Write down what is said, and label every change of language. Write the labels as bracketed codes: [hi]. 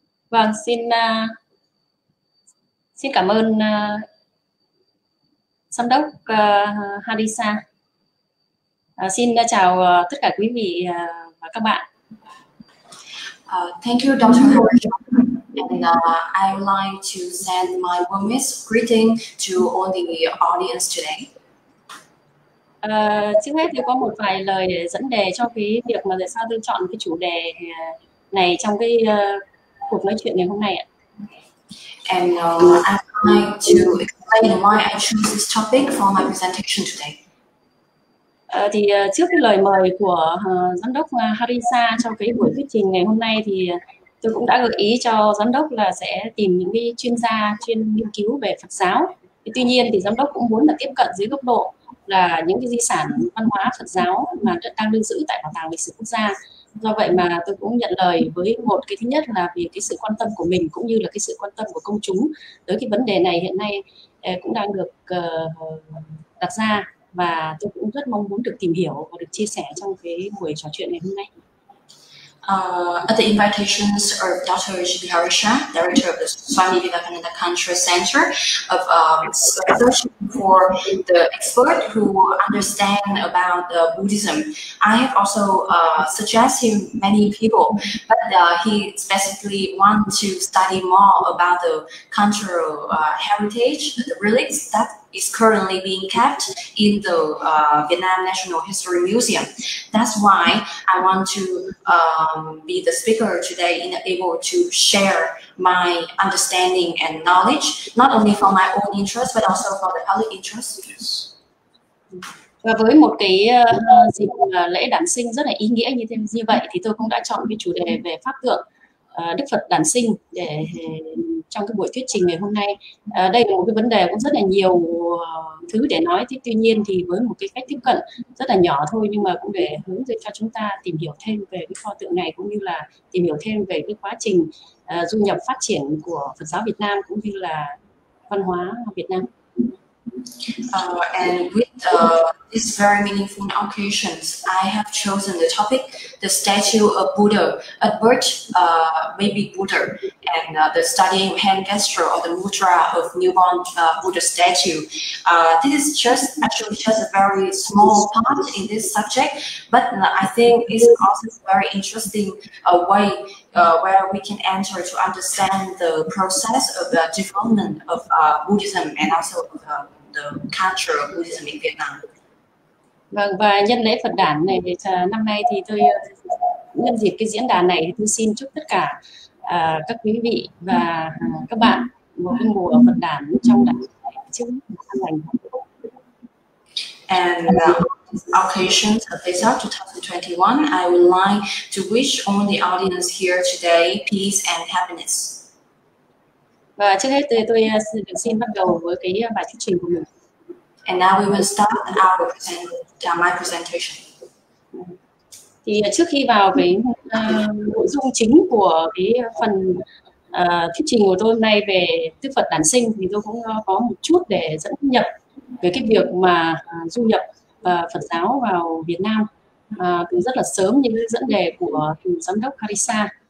[vi] Vâng, xin cảm ơn giám đốc Harissa. Xin chào tất cả quý vị và các bạn. [en] Thank you, Dr. And I would like to send my warmest greeting to all the audience today. [vi] Trước hết thì có một vài lời để dẫn đề cho cái việc mà tại sao tôi chọn cái chủ đề này trong cái cuộc nói chuyện ngày hôm nay ạ. [en] And I'd like to explain why I chose this topic for my presentation today. [vi] Thì trước cái lời mời của giám đốc Harissa cho cái buổi thuyết trình ngày hôm nay thì tôi cũng đã gợi ý cho giám đốc là sẽ tìm những cái chuyên gia chuyên nghiên cứu về Phật giáo. Tuy nhiên thì giám đốc cũng muốn là tiếp cận dưới góc độ là những cái di sản văn hóa Phật giáo mà đang lưu giữ tại Bảo tàng Lịch sử Quốc gia. Do vậy mà tôi cũng nhận lời với một cái thứ nhất là vì cái sự quan tâm của mình cũng như là cái sự quan tâm của công chúng tới cái vấn đề này hiện nay cũng đang được đặt ra và tôi cũng rất mong muốn được tìm hiểu và được chia sẻ trong cái buổi trò chuyện ngày hôm nay. [en] At the invitations of Dr. Jibi Harisha, director of the Swami Vivekananda Cultural Center, of searching for the expert who understand about Buddhism, I have also suggested many people, but he specifically wants to study more about the cultural heritage, the relics that is currently being kept in the Vietnam National History Museum. That's why I want to be the speaker today and able to share my understanding and knowledge, not only for my own interest, but also for the public interest. Yes. [vi] Và với một cái dịp lễ đản sinh rất là ý nghĩa như vậy, thì tôi cũng đã chọn cái chủ đề về pháp tượng Đức Phật đản sinh để trong cái buổi thuyết trình ngày hôm nay. Đây là một cái vấn đề cũng rất là nhiều thứ để nói, thế tuy nhiên thì với một cái cách tiếp cận rất là nhỏ thôi nhưng mà cũng để hướng dẫn cho chúng ta tìm hiểu thêm về cái pho tượng này cũng như là tìm hiểu thêm về cái quá trình du nhập phát triển của Phật giáo Việt Nam cũng như là văn hóa Việt Nam. [en] And with this very meaningful occasions, I have chosen the topic, the statue of Buddha, at birth, baby Buddha, and the studying hand gesture or the mudra of newborn Buddha statue. This is just a very small part in this subject, but I think it's also a very interesting way where we can enter to understand the process of the development of Buddhism and also the culture of Buddhism in Vietnam. [vi] Vâng, và nhân lễ Phật đản này năm nay thì tôi nhân dịp cái diễn đàn này thì tôi xin chúc tất cả các quý vị và các bạn một mùa Phật đản trong đại chúng an lành. [en] And occasions of this 2021, I would like to wish all the audience here today peace and happiness. [vi] Và trước hết thì tôi xin bắt đầu với cái bài thuyết trình của mình. [en] And now we will start our my presentation. [vi] Thì trước khi vào cái nội dung chính của cái phần thuyết trình của tôi hôm nay về Đức Phật đản sinh thì tôi cũng có một chút để dẫn nhập về cái việc mà du nhập Phật giáo vào Việt Nam từ rất là sớm như dẫn đề của giám đốc Harissa.